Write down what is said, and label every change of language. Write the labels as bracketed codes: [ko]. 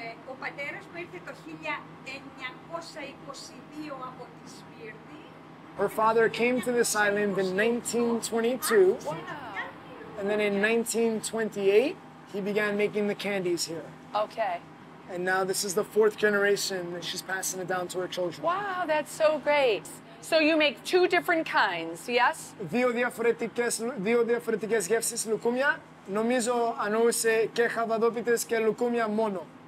[el] Ο πατέρας μου ήρθε το 1922 από τη Σμύρνη. [en] Her father came to this island in 1922. And then in 1928, he began making the candies here. Okay. And now this is the fourth generation that she's passing it down to her children. Wow, that's so great. So you make two different kinds, yes? [el] Δύο διαφορετικές γεύσεις λουκούμια. Νομίζω ανοούσε και χαβαδόπιτες και λουκούμια μόνο.